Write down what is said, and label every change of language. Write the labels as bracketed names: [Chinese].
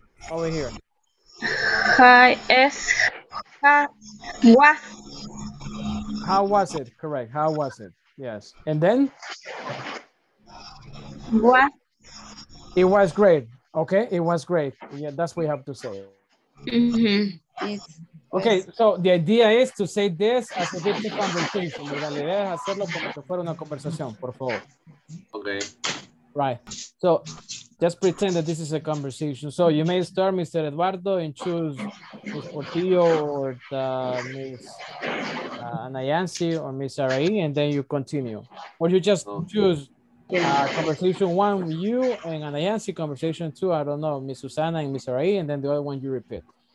[English] Over here. How was it? Correct. How was it? Yes. And then? What? It was great. Okay, it was great. Yeah, that's what we have to say. Mm-hmm. Okay, so the idea is to say this as if it's a conversation. [Spanish] La idea es hacerlo como si fuera una conversación, por favor. [English] Okay. Right. So just pretend that this is a conversation. So you may start, Mr. Eduardo, and choose Ms. Portillo or Ms. Anayansi or Ms. Araí, and then you continue. Or you just choose. Conversation one with you and Anayansi, conversation two, I don't know, Miss Susana and Miss Rae, and then the other one you repeat.